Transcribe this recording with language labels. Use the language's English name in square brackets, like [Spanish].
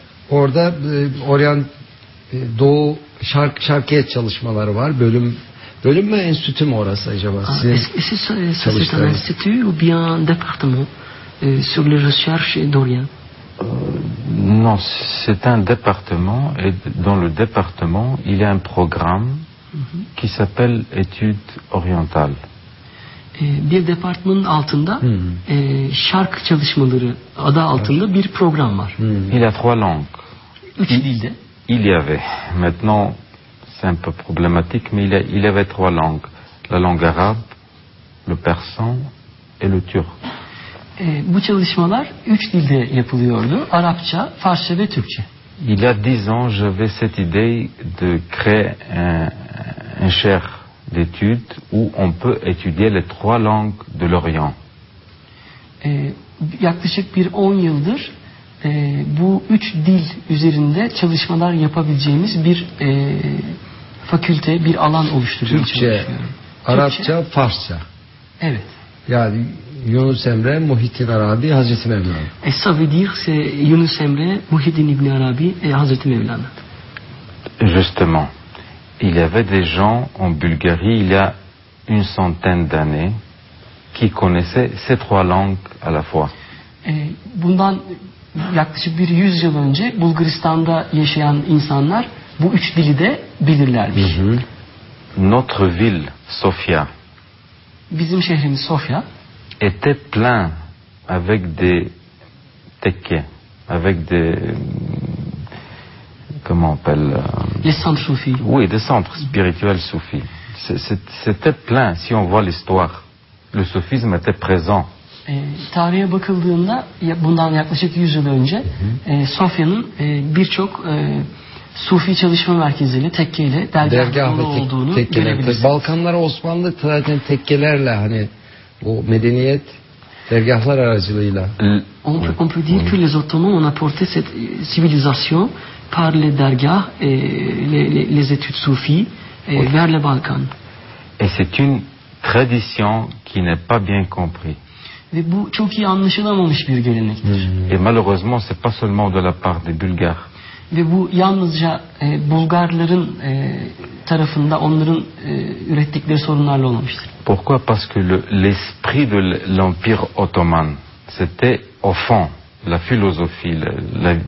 [Turkish] Orada Orient Doğu Şarkiyet çalışmaları var. Bölüm mü, enstitü mü orası acaba? [French] C'est un institut ou bien département sur les recherches d'Orient? Non, c'est un département et dans le département, il y a un programme qui s'appelle études orientales. [Turkish] Bir departmanın altında şark çalışmaları adı altında bir program var. [French] Il y a trois langues. [Turkish] Üç dilde. [French] Il y avait. Maintenant, c'est un peu problématique, mais il y avait trois langues. La langue arabe, le persan et le turc. [Turkish] Bu çalışmalar üç dilde yapılıyordu. Arapça, Farsça ve Türkçe. [French] Il y a 10 ans, j'avais cette idée de créer un chaire d'études où on peut étudier les trois langues de l'Orient. [Turkish] Yaklaşık bir 10 yıldır bu üç dil üzerinde çalışmalar yapabileceğimiz bir fakülte, bir alan oluşturmaya çalışıyorum. Türkçe, Arapça, Farsça. Evet. Yani Yunus Emre, Muhittin Arabi, Hazreti Mevlana. Estağfirullah, Yunus Emre, Muhittin İbni Arabi, Hazreti Mevlana. [French] Justement, il y avait des gens en Bulgarie il y a une centaine d'années qui connaissaient ces trois langues à la fois. [Turkish] Bundan yaklaşık bir 100 yıl önce Bulgaristan'da yaşayan insanlar bu üç dili de bilirlermiş. Mm-hmm. [French] Notre ville, Sofia. [Turkish] Bizim şehrimiz Sofya. [French] Était plein avec des tekke, avec des comment on appelle les centres soufis. Oui, des centres spirituels soufis. C'était plein. Si on voit l'histoire, le soufisme était présent. [Turkish] Tarihe bakıldığında bundan yaklaşık 100 yıl önce Sofya'nın birçok sufi çalışma merkeziyle, tekkeyle, dergahla olduğunu görebiliriz. Balkanlara Osmanlı zaten tekkelerle hani o medeniyet dergahlar aracılığıyla. [French] On peut dire que les Ottomans ont apporté cette civilisation par les dergah, les études soufis vers le Balkan. Et c'est une tradition qui n'est pas bien comprise. [Turkish] Ve bu çok iyi anlaşılamamış bir gelenektir. [French] Et malheureusement, c'est pas seulement de la part des Bulgares. [Turkish] Ve bu yalnızca Bulgarların tarafında onların ürettikleri sorunlarla olmamıştır. [French] Pourquoi? Parce que l'esprit de l'Empire ottoman, c'était au fond la philosophie, la